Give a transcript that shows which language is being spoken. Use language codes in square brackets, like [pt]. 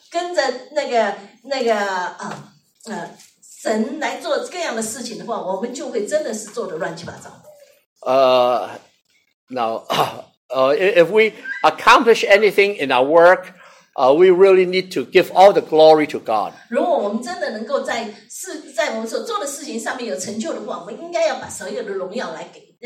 [zh] 跟着那个那个啊啊神来做各样的事情的话，我们就会真的是做的乱七八糟。 [en] If we accomplish anything in our work, we really need to give all the glory to God. [zh] 如果我们真的能够在事在我们所做的事情上面有成就的话，我们应该要把所有的荣耀来给。